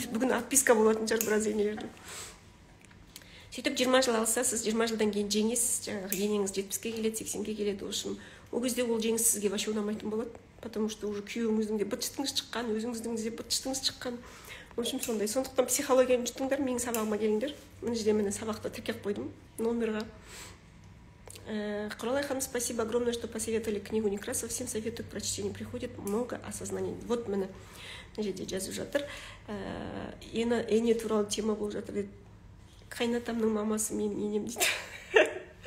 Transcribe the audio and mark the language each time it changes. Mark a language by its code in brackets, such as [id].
[kk] Бүгін отписка болатын шығар біраз енелердің. Сөйтіп 20 жыл алса, сіз 20 жылдан кейін жеңесіз, жаңағы енеңіз 70-ге келеді, 80-ге келеді, [ru] в общем, [kk] ол кезде ол жеңіс сізге [ru] вообще [kk] ұнамайтын болады, [ru] потому что уже [kk] күйеуіңіздің де быт-шытыңыз шыққан, өзіңіздің де быт-шытыңыз шыққан. [ru] В общем, [kk] сондай. Сондықтан психологияны жұтыңдар, менің сабағыма келіңдер. Мына жерде мен сабақты тіркеп қойдым номерға. [ru] Құралай ханым, спасибо огромное, что посоветовали книгу Некрасова. Всем советую к прочтению, приходит много осознаний. [kk] Вот мені мына жерде жазып жатыр. Ене туралы тема болып жатыр деді. Қайнатамның мамасы менің енем дейді.